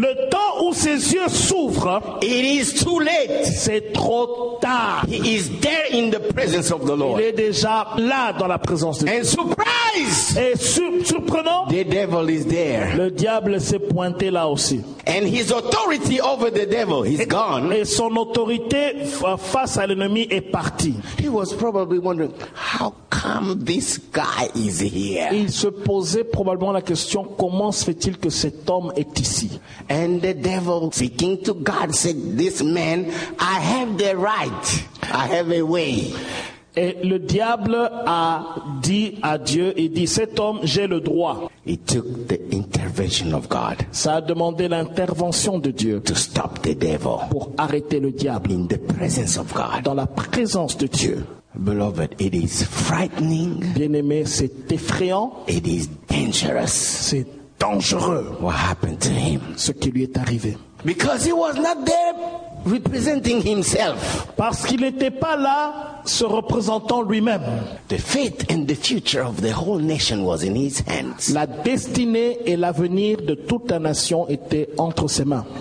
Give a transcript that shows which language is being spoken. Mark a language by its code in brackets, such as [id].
[fr] le temps où ses yeux s'ouvrent, [en] it is too late. [fr] C'est trop tard. [en] He is there in the presence of the Lord. [fr] Il est déjà là dans la présence de Dieu. [en] And surprise! [fr] Et surprenant, [en] the devil is there. [fr] Le diable s'est pointé là aussi. [en] And his authority over the devil is gone. [fr] Et son autorité face à l'ennemi est partie. [en] He was probably wondering, how come this guy is here? [fr] Il se posait probablement la question, comment se fait-il que cet homme est ici? [en] And the devil, speaking to God, said, this man, I have the right. I have a way. [fr] Et le diable a dit à Dieu, il dit, cet homme, j'ai le droit. [en] It took the intervention of God. [fr] Ça a demandé l'intervention de Dieu. [en] To stop the devil. [fr] Pour arrêter le diable. [en] In the presence of God. [fr] Dans la présence de Dieu. [en] Beloved, it is frightening. [fr] Bien-aimé, c'est effrayant. [en] It is dangerous. [fr] C'est dangereux. [en] What happened to him? [fr] Ce qui lui est arrivé. [en] Because he was not there representing himself. [fr] Parce qu'il n'était pas là se représentant lui-même. [en] The fate and the future of the whole nation was in his hands. [fr] La destinée et l'avenir de toute la nation étaient entre ses mains.